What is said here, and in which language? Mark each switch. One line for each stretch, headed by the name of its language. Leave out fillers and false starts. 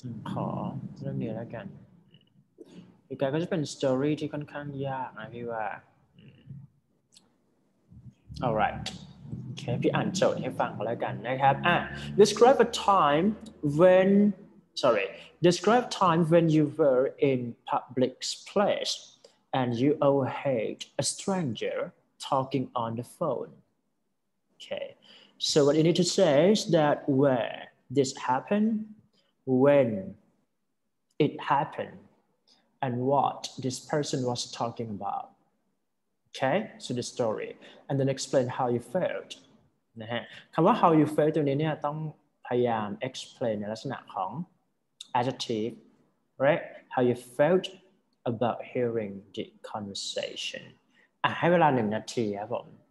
Thai: ขอเรื่องนี้แล้วกันคิวการ์ดก็จะเป็นสตอรี่ที่ค่อนข้างยากนะพี่ว่า
English: alright okay
Thai: พี่อ่านโจทย์ให้ฟังแล้วกันนะครับ
English: describe a time whenSorry, describe time when you were in public place and you overheard a stranger talking on the phone. Okay, so what you need to say is that where this happened, when it happened, and what this person was talking about. Okay, so the story, and then explain how you felt.
Thai: คำว่า
English: how you felt
Thai: ตรงนี้เนี่ยต้องพยายาม explain ในลักษณะของadjective, right?
English: How you felt about hearing the conversation.
Thai: ให้เวลา1นาทีครับผม